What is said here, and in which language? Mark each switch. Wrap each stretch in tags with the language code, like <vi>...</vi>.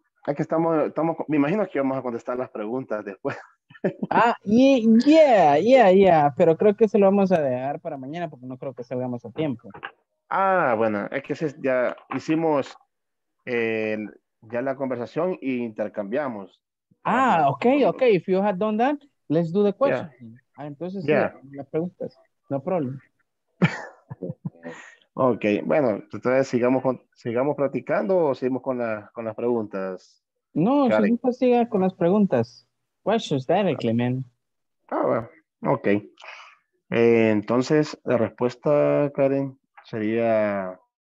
<es>Es que estamos, me imagino que vamos a contestar las preguntas después.</es> <en>Yeah.</en> <es>Pero creo que se lo vamos a dejar para mañana porque no creo que salgamos a tiempo. Ah, bueno, es que ya hicimos ya la conversación e intercambiamos. Ah, ok.</es> <en>If you had done that, let's do the question.</en> <es>Yeah. Ah, entonces, yeah. Las preguntas.</es> <en>No problem.</en> <es>Ok, bueno, entonces sigamos practicando o seguimos con las preguntas. No, Karen. Siga con las preguntas.</es> <en>Questions directly, man.</en> <es>Ah, bueno, ok. Entonces, la respuesta, Karen, sería...</es>